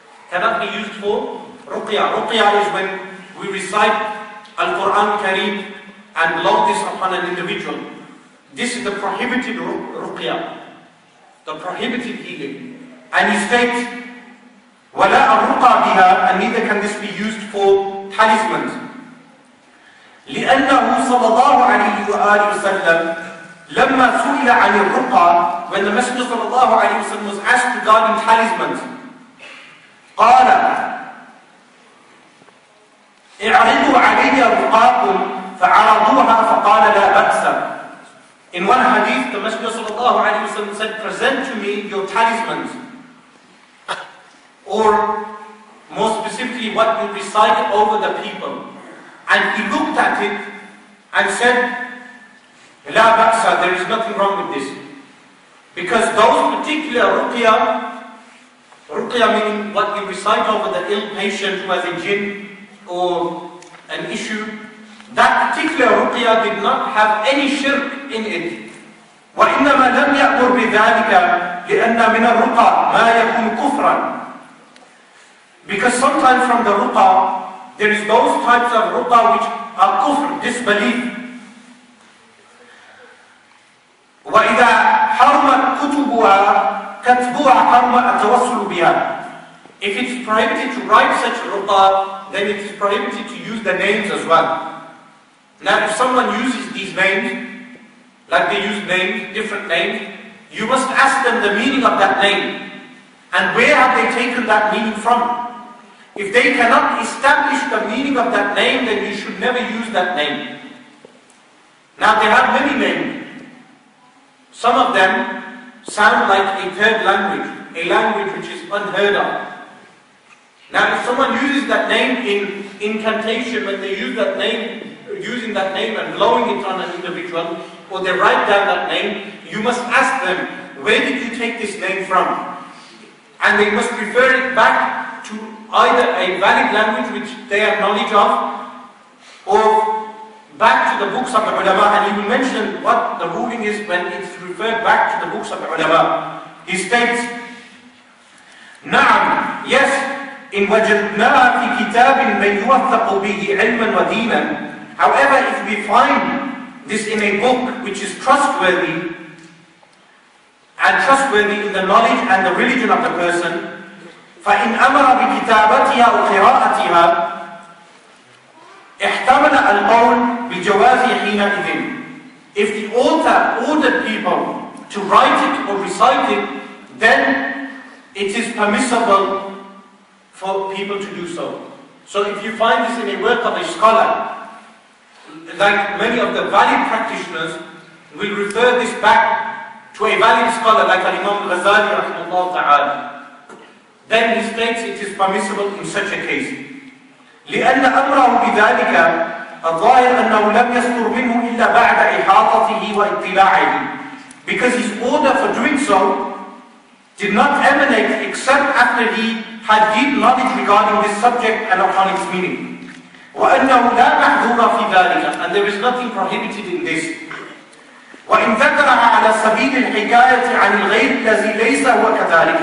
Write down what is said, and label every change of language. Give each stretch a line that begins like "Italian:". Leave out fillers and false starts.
English: Cannot be used for ruqya. Ruqya is when we recite Al-Quran Kareem and load this upon an individual. This is the prohibited ruqya, the prohibited healing. And he states,
Arabic: وَلَا أَرُقَى بِهَا,
English: and neither can this be used for talismans.
Arabic: لِأَنَّهُ صَلَى اللَّهُ عَلَيْهِ وَآلِهِ وَسَلَّمْ لَمَّا سُئِلَ عَنِ الرُّقَى,
English: when the Messenger صلى الله عليه وسلم was asked regarding talismans,
Arabic: قَالَ اِعْرِضُوا عَلَيَّ رُقَاكُمْ فَعَرَضُوهَا فَقَالَ لَا بَأْسَ.
English: In one hadith, the Messenger صلى الله عليه وسلم said, present to me your talismans. Or, more specifically, what you recite over the people. And he looked at it and said,
Arabic: La Baksa,
English: there is nothing wrong with this. Because those particular ruqya, ruqya meaning what you recite over the ill patient who has a jinn or an issue, that particular ruqya did not have any shirk in it.
Arabic: وَإِنَّمَا لَمْ يَأْمُرْ بِذَٰلِكَ لِأَنَّ مِنَ الرُّقَى مَا يَكُونُ كُفْرًا.
English: Because sometimes from the ruqa, there is those types of ruqa which are kufr, disbelief.
Arabic: وَإِذَا حَرْمَ كُتُبُهَا كَتْبُهَا حَرْمَ أَتَوَصُلُ بِهَا.
English: If it's prohibited to write such ruqa, then it is prohibited to use the names as well. Now if someone uses these names, like they use names, different names, you must ask them the meaning of that name. And where have they taken that meaning from? If they cannot establish the meaning of that name, then you should never use that name. Now they have many names. Some of them sound like a third language, a language which is unheard of. Now if someone uses that name in incantation, when they use that name, using that name and blowing it on an individual, or they write down that name, you must ask them, where did you take this name from? And they must refer it back to either a valid language which they have knowledge of, or back to the books of the ulama. And he will mention what the ruling is when it's referred back to the books of the ulama. He states,
Arabic: Na'am,
English: yes,
Arabic: in وَجَدْنَا فِي كِتَابٍ مَنْ يُوَثَّقُ بِهِ عِلْمًا وَدِينًا.
English: However, if we find this in a book which is trustworthy, and trustworthy in the knowledge and the religion of the person,
Arabic: فَإِنْ أَمَرَ بِكِتَابَتِهَا وَقِرَاءَتِهَا احتمل القول بجوازه حينئذٍ.
English: If the author ordered people to write it or recite it, then it is permissible for people to do so. So if you find this in a work of a scholar, like many of the valid practitioners will refer this back to a valid scholar like Imam Ghazali rahimahullah ta'ala, then he states it is permissible in such a case.
Arabic: لأن أمره بذلك الظاهر أنه لم يصدر منه إلا بعد إحاطته وإطلاعه.
English: Because his order for doing so did not emanate except after he had deep knowledge regarding this subject and upon its meaning.
Arabic: وَأَنَّهُ لَا مَحْذُورَ فِي ذَلِكَ,
English: and there is nothing prohibited in this.
Arabic: وَإِنْ ذَكَرَهَا عَلَى سَبِيلِ الْحِكَايَةِ عَنِ الْغَيْبِ الَّذِي لَيْسَ هُوَ كَذَلِكَ.